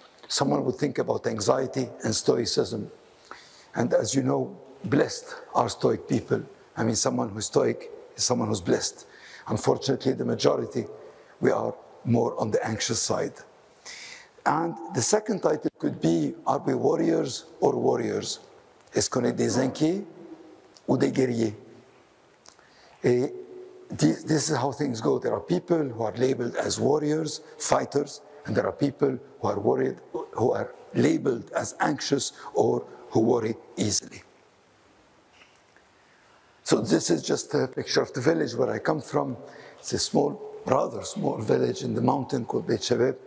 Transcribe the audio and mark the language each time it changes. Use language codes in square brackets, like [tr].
[en] Someone would think about anxiety and stoicism. And as you know, blessed are stoic people. Someone who's stoic is someone who's blessed. Unfortunately, the majority, we are more on the anxious side. And the second title could be, are we warriors or worriers? [fr] Est-ce qu'on est des inquiets ou des guerriers? [en] This is how things go. There are people who are labeled as warriors, fighters, and there are people who are worried, who are labeled as anxious or who worry easily. So this is just a picture of the village where I come from. It's a small, rather small village in the mountain called Beit Shabeb.